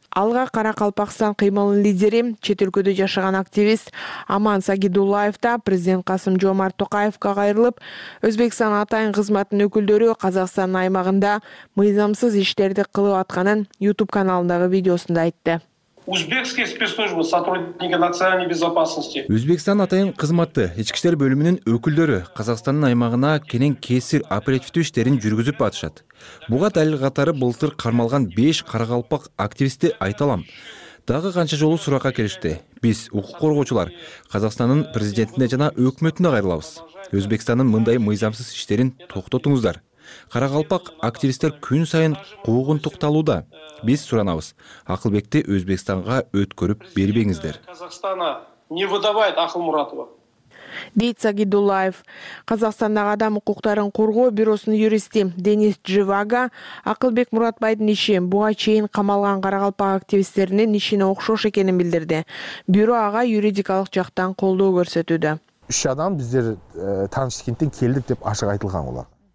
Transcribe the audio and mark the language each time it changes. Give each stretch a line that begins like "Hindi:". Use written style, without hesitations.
Kyrgyz: Алга Каракалпакстан кыймылынын лидери, чет өлкөдө жашаган активист Аман Сагидуллаев да президент Касым Жомарт Токаевка кайрылып, Өзбекстан атайын кызматынын өкүлдөрү Казакстандын аймагында мыйзамсыз иштерди кылып атканын YouTube каналындагы видеосунда айтты.
Russian: Узбекские спецслужбы, сотрудники национальной безопасности.
Kyrgyz: Өзбекстан атайын кызматты, ички иштер бөлүмүнүн өкүлдөрү Казакстандын аймагына кенен кесир оперативдүү иштерин жүргүзүп атышат. Буга далил катары былтыр кармалган 5 карагалпак активисти айталам. Дагы канча жолу суракка келишти. Биз укук коргоочулар Казакстандын президентине жана өкмөтүнө кайрылабыз. Өзбекстандын мындай мыйзамсыз иштерин токтотуңуздар. Карагалпак активисттер күн сайын куугунтукталууда. Биз суранабыз. Акылбекти Өзбекстанга өткөрүп бербеңиздер.
Russian: Казакстана не выдавает Акыл Муратова.
Kyrgyz: Дейт Сагидуллаев. Казакстандагы адам укуктарын коргоо бюросунун юристи Денис Дживага Акылбек Муратбайдын иши буга чейин камалган карагалпак активисттеринин ишине окшош экенин билдирди. Бюро ага юридикалык жактан колдоо көрсөтүүдө. 3 адам биздер Таныштыкенттен келдик деп ашык айтылган болот.